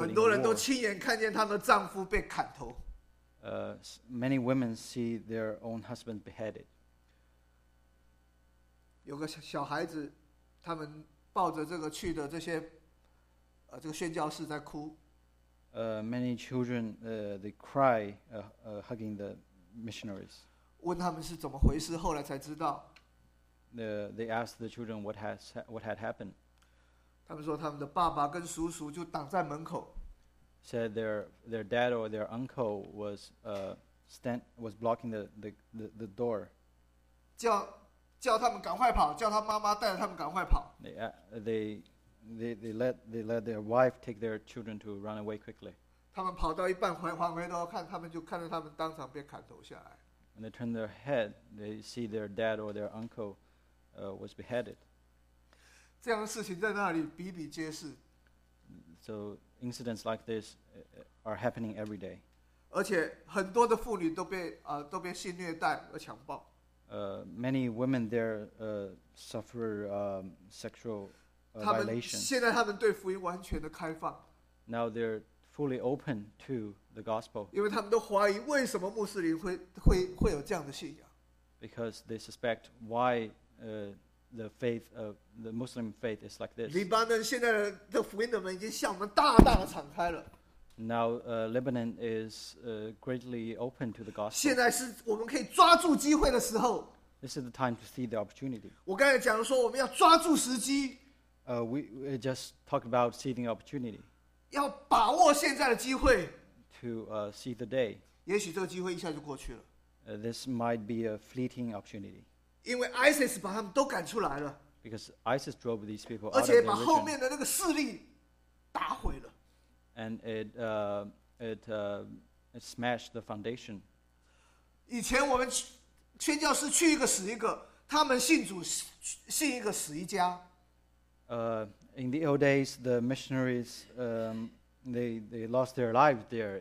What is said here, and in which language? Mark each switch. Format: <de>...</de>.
<zh>很多人都亲眼看见他们的丈夫被砍头。</zh> <en>Many women see their own husband beheaded.</en> <zh>有个小孩子，他们抱着这个去的这些，这个宣教士在哭。</zh> <en>Many children, they cry, hugging the missionaries.</en> <zh>问他们是怎么回事，后来才知道。</zh> <en>They asked the children what had happened.</en> <zh>他们说他们的爸爸跟叔叔就挡在门口。</zh> <en>Said their dad or their uncle was blocking the door.</en> <zh>叫他们赶快跑，叫他妈妈带着他们赶快跑。</zh> <en>They let their wife take their children to run away quickly.</en> <zh>他们跑到一半回头看，他们就看着他们当场被砍头下来。</zh> <en>When they turn their head, they see their dad or their uncle, was beheaded.</en> <zh>这样的事情在那里比比皆是。</zh> <en>So incidents like this are happening every day.</en> <zh>而且很多的妇女都被性虐待和强暴。</zh> <en>Many women there suffer sexual.</en> <zh>他们现在他们对福音完全的开放。</zh> <en>Now they're fully open to the gospel.</en> <zh>因为他们都怀疑为什么穆斯林 会有这样的信仰。</zh> <en>Because they suspect why the faith of the Muslim faith is like this.</en> <zh>黎巴嫩现在的福音的门已经向我们大大的敞开了。</zh> <en>Now Lebanon is greatly open to the gospel.</en> <zh>现在是我们可以抓住机会的时候。</zh> <en>This is the time to see the opportunity.</en> <zh>我刚才讲说我们要抓住时机。</zh> <en>We just talked about seeing the opportunity.</en> <zh>要把握现在的机会。</zh> <en>To see the day.</en> <zh>也许这个机会一下就过去了。</zh> <en>This might be a fleeting opportunity.</en> <zh>因为 ISIS 把他们都赶出来了。</zh> <en>Because ISIS drove these people out of their region.</en> <zh>而且把后面的那个势力打毁了。</zh> <en>And it smashed the foundation.</en> <zh>以前我们宣教士去一个死一个，他们信主信一个死一家。</zh> <en>In the old days, the missionaries they lost their lives there.</en>